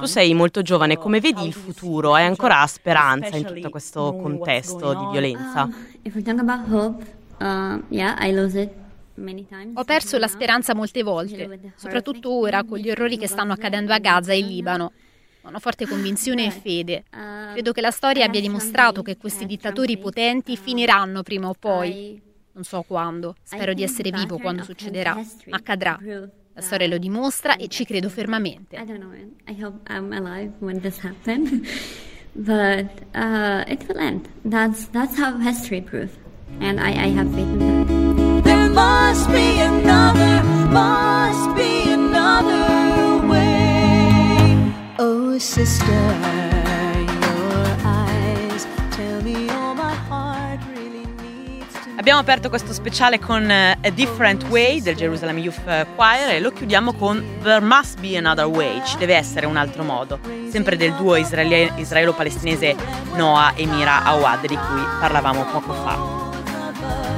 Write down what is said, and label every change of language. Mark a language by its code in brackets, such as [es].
[it] Tu sei molto giovane, come vedi il futuro? Hai ancora speranza in tutto questo contesto di violenza? [en] If we talk about hope, I lose it. [it] Ho perso la speranza molte volte, soprattutto ora con gli orrori che stanno accadendo a Gaza e Libano. Ho una forte convinzione e fede. Credo che la storia abbia dimostrato che questi dittatori potenti finiranno prima o poi. Non so quando, spero di essere vivo quando succederà, ma accadrà. La storia lo dimostra e ci credo fermamente. [en] I don't know. I hope I'm alive when this happens. But it will end. That's how history proves. And I have faith in that. There must be another, must be another way. Oh sister, your eyes tell me all my heart really needs to. [it] Abbiamo aperto questo speciale con A Different Way del Jerusalem Youth Choir e lo chiudiamo con There Must Be Another Way, ci deve essere un altro modo, sempre del duo israelo-palestinese Noah e Mira Awad di cui parlavamo poco fa.